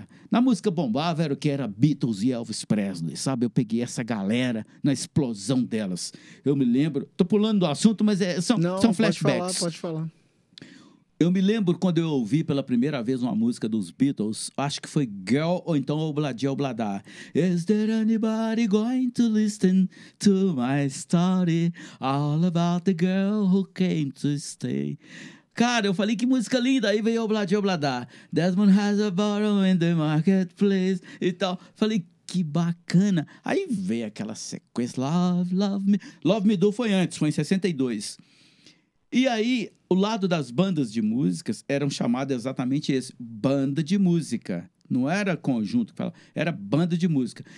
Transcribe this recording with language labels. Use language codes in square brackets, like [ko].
[pt] Na música bombava era o que era Beatles e Elvis Presley, sabe? Eu peguei essa galera na explosão delas. Eu me lembro... Tô pulando do assunto, mas são flashbacks. Não, pode falar. Eu me lembro quando eu ouvi pela primeira vez uma música dos Beatles, acho que foi Girl ou então Obladi Oblada. [en] Is there anybody going to listen to my story all about the girl who came to stay? [pt] Cara, eu falei, que música linda. Aí veio Obladi Oblada. [en] Desmond has a bottle in the marketplace [pt] e tal. Falei, que bacana. Aí veio aquela sequência. Love Me. Love Me Do foi antes, foi em 62. E aí, o lado das bandas de músicas eram chamadas exatamente esse. Banda de música. Não era conjunto que falava. Era banda de música.